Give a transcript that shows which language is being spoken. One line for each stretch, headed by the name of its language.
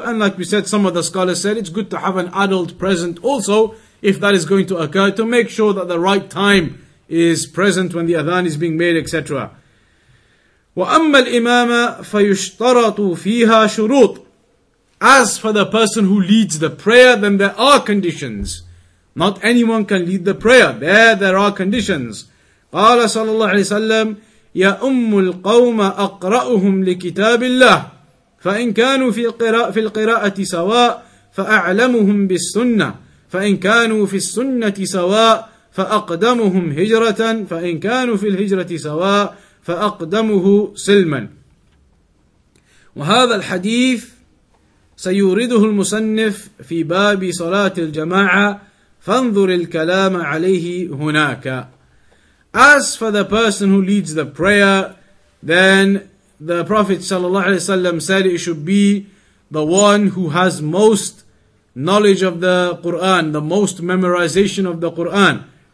English: And like we said, some of the scholars said, it's good to have an adult present also if that is going to occur, to make sure that the right time is present when the adhan is being made, etc.
Arabic: وَأَمَّا الْإِمَامَ فَيُشْتَرَطُ فِيهَا شُرُوطٌ,
English: as for the person who leads the prayer, then there are conditions. Not anyone can lead the prayer. There are conditions.
Arabic: قال صلى الله عليه وسلم يا أم القوم أقرأهم لكتاب الله فإن كانوا في القراءة سواء فأعلمهم بالسنة فإن كانوا في السنة سواء فأقدمهم هجرة فإن كانوا في الهجرة سواء فأقدمه سلما. وهذا الحديث سيورده المصنف في باب صلاة الجماعة فانظر الكلام عليه هناك.
English: As for the person who leads the prayer, then the Prophet ﷺ said it should be the one who has most knowledge of the Qur'an, the most memorization of the Qur'an.